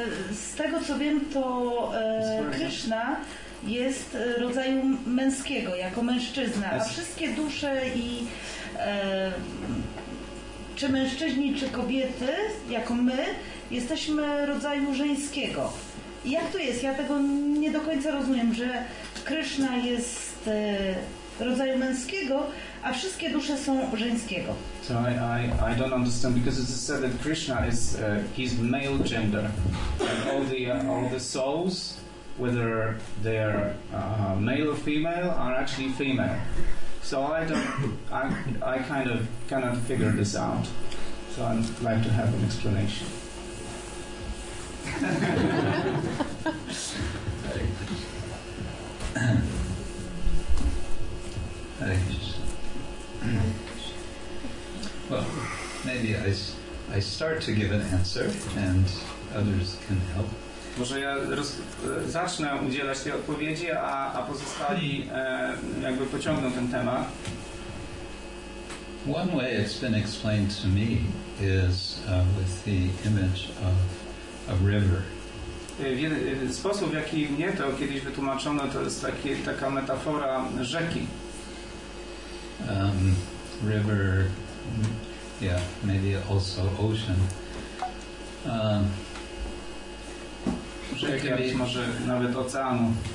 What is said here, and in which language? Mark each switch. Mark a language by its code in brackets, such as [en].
[pl] Z tego co wiem, to Kryszna jest rodzaju męskiego, jako mężczyzna, a wszystkie dusze i czy mężczyźni, czy kobiety, jako my, jesteśmy rodzaju żeńskiego. Jak to jest? Ja tego nie do końca rozumiem, że Kryszna jest rodzaju męskiego, a wszystkie dusze są żeńskiego. [en] So I don't understand, because it's said that Krishna is his male gender, and all the souls, whether they are male or female, are actually female. So I kind of cannot figure this out. So I'd like to have an explanation. Well, maybe I start to give an answer, and others can help. [pl] Może ja zacznę udzielać tej odpowiedzi, a pozostali jakby pociągną ten temat. [en] One way it's been explained to me is with the image of a river. [pl] Sposób, w jaki mnie to kiedyś wytłumaczono, to jest taka metafora rzeki. [en] River, maybe also ocean. [pl] Rzeka, może nawet oceanu.